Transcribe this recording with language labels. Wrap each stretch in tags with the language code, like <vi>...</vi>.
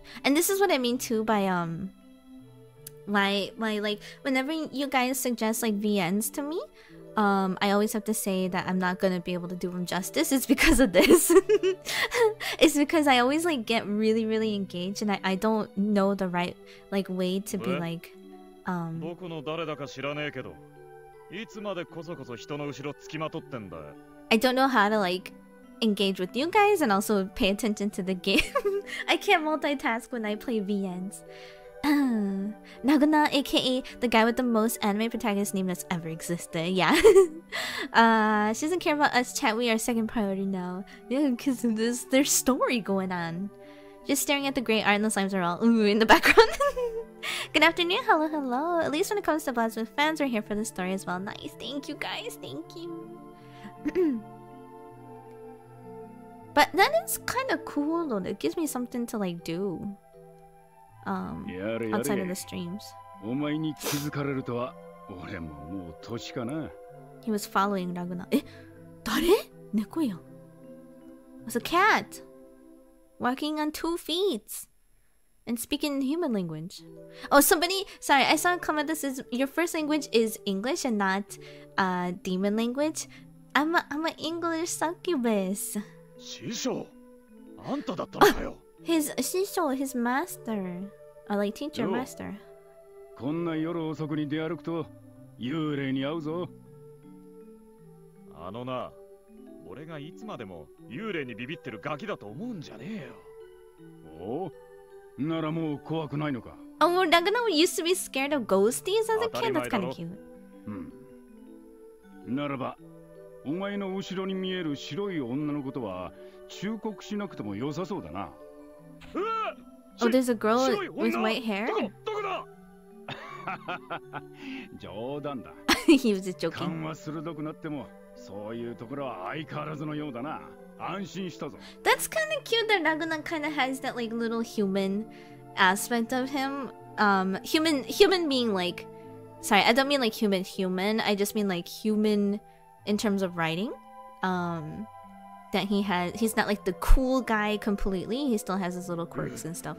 <en>And this is what I mean too by, my, like, whenever you guys suggest, like, VNs to me, I always have to say that I'm not gonna be able to do them justice. It's because of this. It's because I always, like, get really, really engaged and I don't know the right, like, way to be, like,</en> <ja>僕の誰だか知らねえけど、いつまでこそこそ人の後ろつきまとってんだ。</ja> <en>I don't know how to, like... engage with you guys and also pay attention to the game. I can't multitask when I play VNs. Naguna, aka the guy with the most anime protagonist name that's ever existed. Yeah. she doesn't care about us chat. We are second priority now. Yeah, because there's story going on. Just staring at the great art and the slimes are all ooh, in the background. Good afternoon. Hello, hello. At least when it comes to BLAZBLUE fans, we're here for the story as well. Nice. Thank you, guys. Thank you. But that is kind of cool though. It gives me something to like do. Outside of the streams.</en> <ja>お前に気づかれるとは、俺ももう年かな。</ja> <en>He was following Raguna.</en> <ja>え、誰？猫やん。</ja> <en>It's a cat. Walking on two feet. And speaking human language. Oh, somebody, sorry, I saw a comment that says your first language is English and not demon language. I'm an English succubus.</en> <ja>師匠、あんただったのかよ。</ja> <en>His 師匠、his master、like teacher master。</en> <ja>こんな夜遅くに出歩くと幽霊に会うぞ。あのな、俺がいつまでも幽霊にビビってるガキだと思うんじゃねえよ。お、ならもう怖くないのか。</ja> <en>Oh, well, Raguna used to be scared of ghosties as a kid. That's kind of cute.</en> <ja>ならば。お前の後ろに見える白い女のことは忠告しなくても良さそうだな。</ja> <en>Oh, there's a girl with white hair?</en> <ja>どこだ？冗談だ。</ja> <en>He was joking.</en> <ja>勘は鋭くなっても、そういうところは相変わらずのようだな。安心したぞ。</ja> <en>That's kind of cute that Raguna kind of has that like little human aspect of him. Human being like... Sorry, I don't mean like human. I just mean like human...in terms of writing. that he has, he's not like the cool guy completely. He still has his little quirks and stuff.</en>